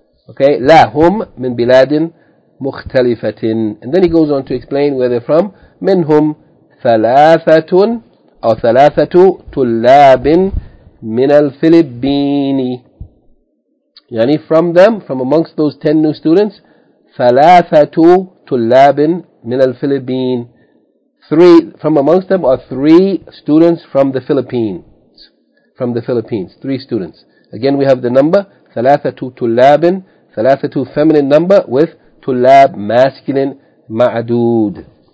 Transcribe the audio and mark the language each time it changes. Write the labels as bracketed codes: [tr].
[ar] Okay, لا هم من بلاد مختلفة. [en] And then he goes on to explain where they're from. [ar] منهم ثلاثة أو ثلاثة طلاب من الفلبين. [en] يعني from them, from amongst those 10 new students, [ar] ثلاثة طلاب من الفلبين. [en] Three, from amongst them are three students from the Philippines. From the Philippines, three students. Again we have the number, [ar] ثلاثة طلاب, [en] ثلاثة feminine number with طلاب masculine معدود.